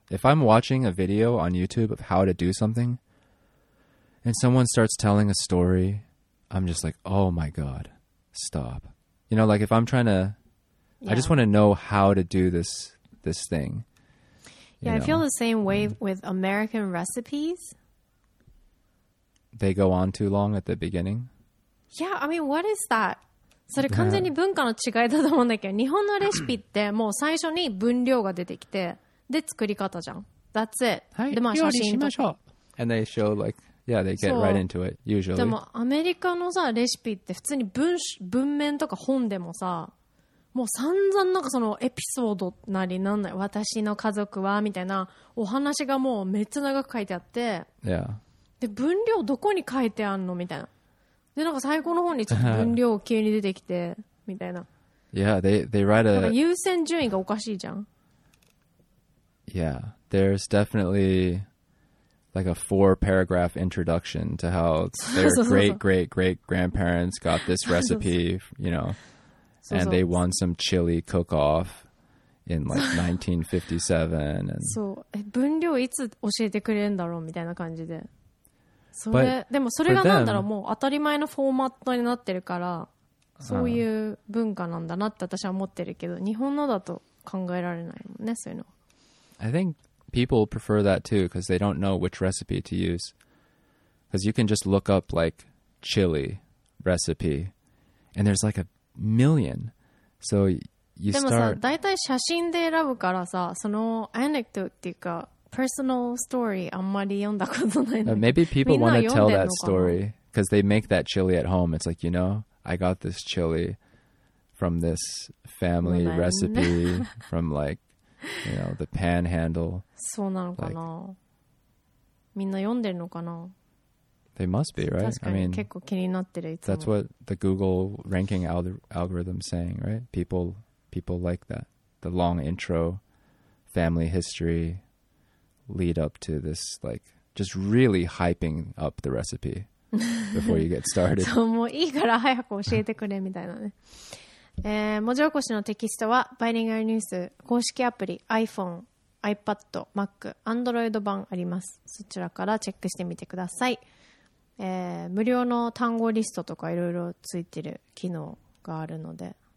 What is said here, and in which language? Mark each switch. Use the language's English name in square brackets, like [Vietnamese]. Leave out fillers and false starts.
[English] If I'm watching a video on YouTube of how to do something and someone starts telling a story, I'm just like, oh my God, stop. You know, like if I'm trying to, yeah. I just want to know how to do this thing. Yeah, I feel the same way with American recipes. They go on too long at the beginning. Yeah, I mean, what is that? [Japanese] それ完全に文化の違いだと思うんだけど、日本のレシピってもう最初に分量が出てきて、で作り方じゃん。 [English] That's it. [Japanese] はい、でまあ写真しましょう。 [English] And they show like, yeah, they get right into it, usually. [Japanese] でもアメリカのさ、レシピって普通に文面とか本でもさ、もう散々なんかそのエピソードなりなんない、私の家族はみたいなお話がもうめっちゃ長く書いてあって、 [English] yeah. [Japanese] で分量どこに書いてあんのみたいな。でなんか最高の方にちょっと分量急に出てきてみたいな。 [English] Yeah, they write a [Japanese] 優先順位がおかしいじゃん。 [English] Yeah, there's definitely like a 4-paragraph introduction to how their great great great grandparents got this recipe, you know, and they won some chili cook-off in like 1957. [Japanese] そう、分量いつ教えてくれるんだろうみたいな感じで。それ [English] But、 [Japanese] でもそれがなんだろう、もう当たり前のフォーマットになってるから、そういう文化なんだなって私は思ってるけど、日本のだと考えられないもんね、そういうの。 [English] I think people prefer that too, because they don't know which recipe to use. Because you can just look up like chili recipe, and there's like a million. So you start. [Japanese] でもさ、大体写真で選ぶからさ、そのアネクドっていうか、 [English] personal story [Japanese] あんまり読んだことないの。 [English] Maybe people want to tell that story because they make that chili at home. It's like, you know, I got this chili from this family recipe from like, you know, the panhandle. [Japanese] そうなのかな。みんな読んでるのかな。 [English] They must be, right? [Japanese] 確かに、 [English] I mean, [Japanese] 結構気になってる、いつも。 [English] That's what the Google ranking algorithm is saying, right? People like that. The long intro, family history, lead up to this, like, just really hyping up the recipe before you get started. [Japanese] そう、もういいから早く教えてくれみたいなね。文字起こしのテキストは、バイリンガルニュース公式アプリ、iPhone、iPad、Mac、Android 版あります。そちらからチェックしてみてください。無料の単語リストとかいろいろついてる機能があるので、